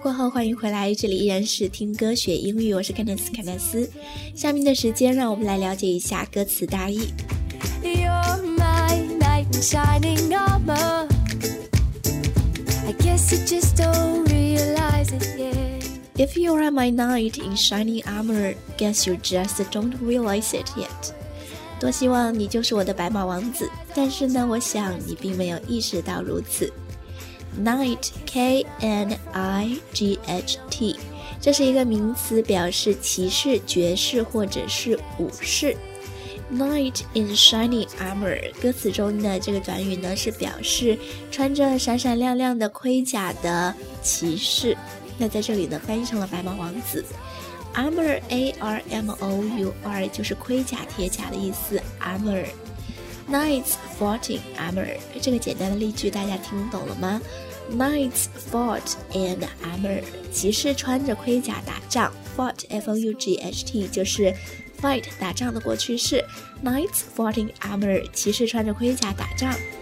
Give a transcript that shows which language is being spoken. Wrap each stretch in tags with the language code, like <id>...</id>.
<zh>欢迎回来，这里依然是听歌学英语，我是 Candice 凯纳斯。下面的时间让我们来了解一下歌词大意。</zh> <en>You're my knight in shining armor, I guess you just don't realize it yet. If you're my knight in shining armor, guess you just don't realize it yet.</en> <zh>多希望你就是我的白马王子，但是呢，我想你并没有意识到如此。 Knight, K-N-I-G-H-T, 这是一个名词，表示骑士、爵士或者是武士。</zh> <en>Knight in shining armor,</en> <zh>歌词中的这个短语呢，是表示穿着闪闪亮亮的盔甲的骑士。那在这里呢，翻译成了白马王子。Armor, A-R-M-O-U-R, 就是盔甲、铁甲的意思。</zh> <en>Armor, Knights fought in armor,</en> <zh>这个简单的例句大家听懂了吗？</zh> <en>Knights fought in armor,</en> <zh>骑士穿着盔甲打仗。 Fought, F-O-U-G-H-T, 就是 fight, 打仗的过去式。</zh> <en>Knights fought in armor,</en> <zh>骑士穿着盔甲打仗。</zh>